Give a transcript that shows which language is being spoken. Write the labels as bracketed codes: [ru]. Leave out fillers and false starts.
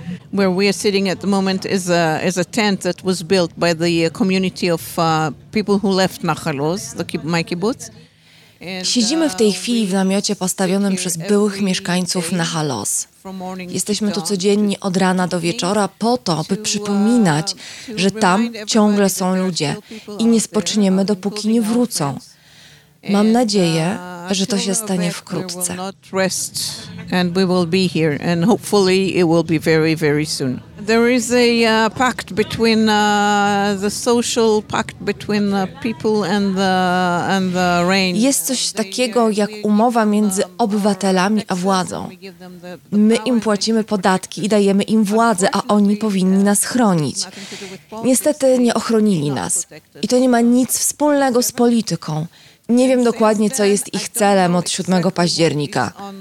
[en] Where we are sitting at the moment is a tent that was built by the community of people who left Nachal Oz, my kibbutz. [pl] Siedzimy w tej chwili w namiocie postawionym przez byłych mieszkańców Nachal Oz. Jesteśmy tu codziennie od rana do wieczora po to, by przypominać, że tam ciągle są ludzie i nie spoczniemy, dopóki nie wrócą. Mam nadzieję, że to się stanie wkrótce. [en] And we will be here, and hopefully it will be very, very soon. There is a pact between the social pact between the people and the reign. [pl] Jest coś takiego jak umowa między obywatelami a władzą. My im płacimy podatki i dajemy im władzę, a oni powinni nas chronić. Niestety nie ochronili nas. I to nie ma nic wspólnego z polityką. Nie wiem dokładnie, co jest ich celem od 7 października.